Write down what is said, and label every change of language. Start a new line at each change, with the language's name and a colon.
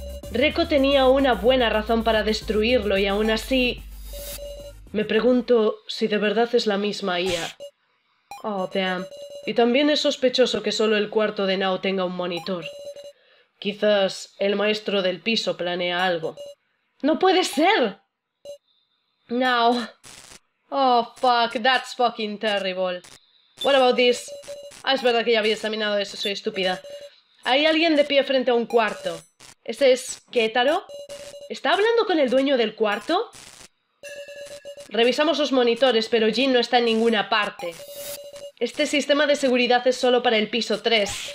Spanish: Reko tenía una buena razón para destruirlo y aún así... Me pregunto si de verdad es la misma IA.
English: Oh, damn.
Spanish: Y también es sospechoso que solo el cuarto de Nao tenga un monitor. Quizás el maestro del piso planea algo. ¡No puede ser! Nao.
English: Oh, fuck, that's fucking terrible. What about this?
Spanish: Ah, es verdad que ya había examinado eso, soy estúpida. Hay alguien de pie frente a un cuarto. ¿Ese es Kétaro? ¿Está hablando con el dueño del cuarto? Revisamos los monitores, pero Jin no está en ninguna parte. Este sistema de seguridad es solo para el piso 3.